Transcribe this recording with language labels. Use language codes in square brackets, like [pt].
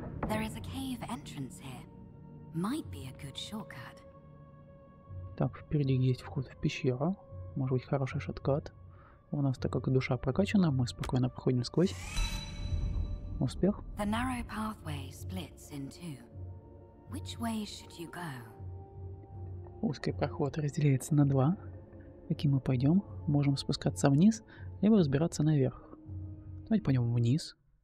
[en] There is a cave entrance here. Might be a good shortcut. [ru] Так, впереди есть вход в пещеру. Может быть, хороший шоткат. У нас, так как душа прокачана, мы спокойно проходим сквозь. Успех. [en] The narrow pathway splits in two. Which way should you go? [ru] Узкий проход разделяется на два. Каким мы пойдем? Можем спускаться вниз, либо взбираться наверх. Давайте пойдем вниз.